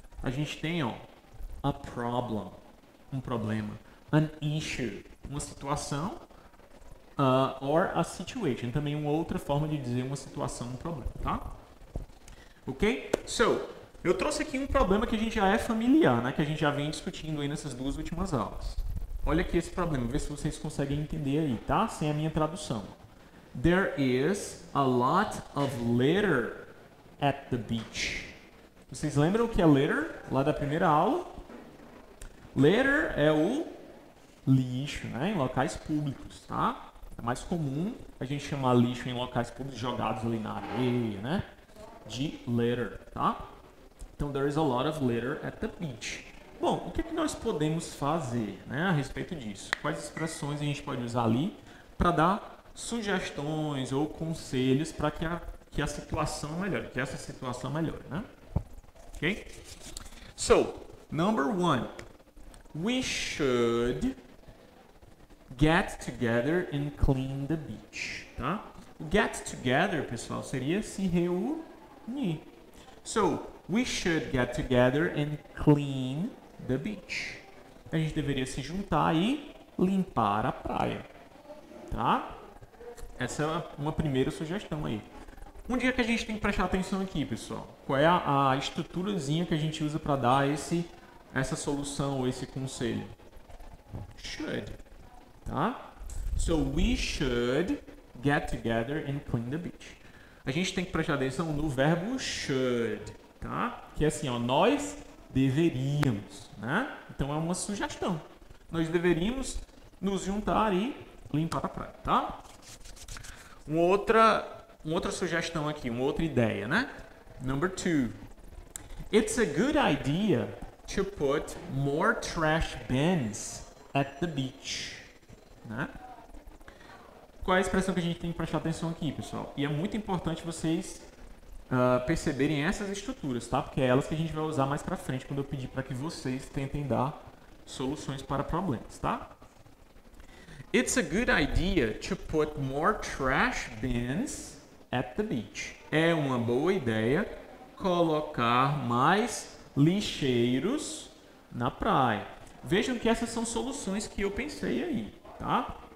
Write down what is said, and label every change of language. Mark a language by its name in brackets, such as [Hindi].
[Portuguese] A gente tem, ó, a problem, um problema, an issue, uma situação, or a situation, também uma outra forma de dizer uma situação, um problema, tá? Ok? So, eu trouxe aqui um problema que a gente já é familiar, né? Que a gente já vem discutindo aí nessas duas últimas aulas. Olha aqui esse problema, vê se vocês conseguem entender aí, tá? Sem a minha tradução. [English] There is a lot of litter at the beach. [Portuguese] Vocês lembram o que é litter? Lá da primeira aula? Litter é o lixo, né? Em locais públicos, tá? É mais comum a gente chamar lixo em locais públicos jogados ali na areia, né? De litter, tá? [English] Então, there is a lot of litter at the beach. [Portuguese] Bom, o que é que nós podemos fazer, né, a respeito disso? Quais expressões a gente pode usar ali para dar sugestões ou conselhos para que a situação melhore, que essa situação melhore, né? Ok? [English] So, number one, we should get together and clean the beach. Tá? [Portuguese] Get together, pessoal, seria se reunir. [English] So, we should get together and clean the beach. [Portuguese] A gente deveria se juntar e limpar a praia, tá? Essa é uma primeira sugestão aí. Onde é que a gente tem que prestar atenção aqui, pessoal? Qual é a estruturazinha que a gente usa para dar essa solução ou esse conselho? [English] Should, tá? So, we should get together and clean the beach. [Portuguese] A gente tem que prestar atenção no verbo should. Tá? Que é assim, ó, nós deveríamos, né? Então, é uma sugestão. Nós deveríamos nos juntar e limpar a praia, tá? Uma outra sugestão aqui, uma outra ideia, né? [English] Number two. It's a good idea to put more trash bins at the beach. [Portuguese] Né? Qual é a expressão que a gente tem que prestar atenção aqui, pessoal? E é muito importante vocês perceberem essas estruturas, tá? Porque é elas que a gente vai usar mais pra frente quando eu pedir para que vocês tentem dar soluções para problemas, tá? [English] It's a good idea to put more trash bins at the beach. [Portuguese] É uma boa ideia colocar mais lixeiros na praia. Vejam que essas são soluções que eu pensei aí, tá?